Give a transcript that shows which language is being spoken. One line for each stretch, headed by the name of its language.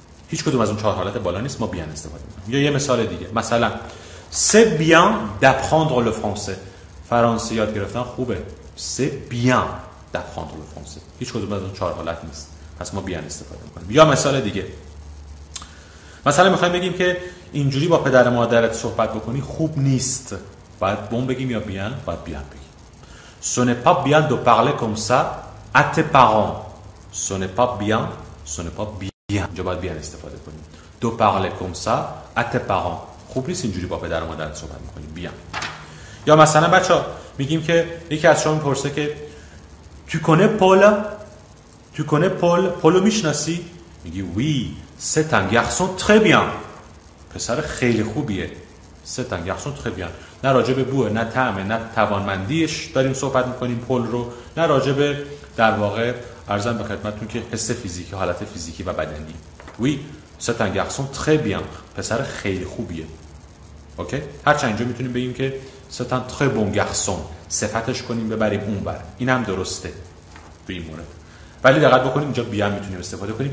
Persian: هیچ کدوم از اون چهار حالت بالا نیست، ما بیان استفاده می‌کنیم. یا یه مثال دیگه، مثلا
French: c'est bien d'apprendre le français.
Persian: فرانسه یاد گرفتن خوبه.
French: c'est bien d'apprendre le français.
Persian: هیچ کدوم از اون چهار حالت نیست، پس ما بیان استفاده می‌کنیم. یا مثال دیگه، مثلا می‌خوایم بگیم که اینجوری با پدر مادرت صحبت بکنی خوب نیست، باید بون بگیم یا بیان؟ باید بیان بگیم.
French: ce n'est pas bien de parler comme ça à tes parents. ce n'est pas bien
Persian: اینجا باید بیان استفاده کنیم.
French: دو parler comme ça à tes parents.
Persian: خوب نیست اینجوری با پدر مادرت صحبت میکنیم، بیان. یا مثلا بچه ها میگیم که یکی از شما میپرسه که
French: tu connais Paul
Persian: پولو میشناسی؟ میگی
French: oui c'est un garçon très bien.
Persian: پسر خیلی خوبیه.
French: c'est un garçon très bien.
Persian: نه راجب بوه، نه طعمه، نه توانمندیش داریم صحبت میکنیم پول رو، نه راجب در واقع عرضم به خدمتتون که حس فیزیکی، حالت فیزیکی و بدنی.
French: وی c'est un garçon très bien.
Persian: پسر خیلی خوبیه. اوکی؟ هرچند اینجا میتونیم بگیم که
French: c'est un très bon garçon،
Persian: صفتش کنیم ببریم اون بر. اینم درسته توی این مورد. ولی دقت بکنیم اینجا بیان میتونیم استفاده کنیم.